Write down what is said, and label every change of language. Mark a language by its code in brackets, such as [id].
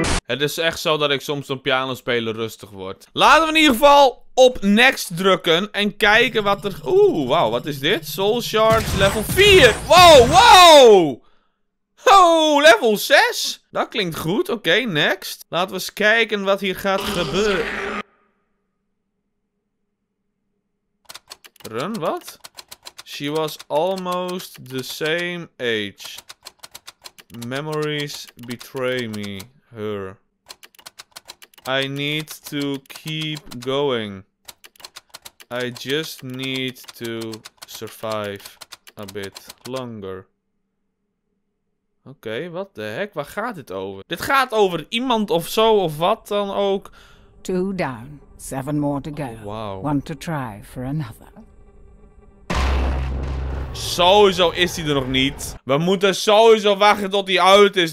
[nl] Het is echt zo dat ik soms op piano spelen rustig word. Laten we in ieder geval op next drukken en kijken wat er... Oeh, wauw, wat is dit? Soul Shards level 4. Wow, wow! Oh, level 6. Dat klinkt goed. Oké, okay, next. Laten we eens kijken wat hier gaat gebeuren. Run, wat? [en] She was almost the same age. Memories betray me. Her. I need to keep going. I just need to survive a bit longer. [nl] Oké, okay, [en] what the heck? [nl] Waar gaat dit over? Dit gaat over iemand of zo of wat dan ook. [en] Two down, 7 more to go. Oh, wow. One to try for another. [nl] Sowieso is hij er nog niet. We moeten sowieso wachten tot hij uit is.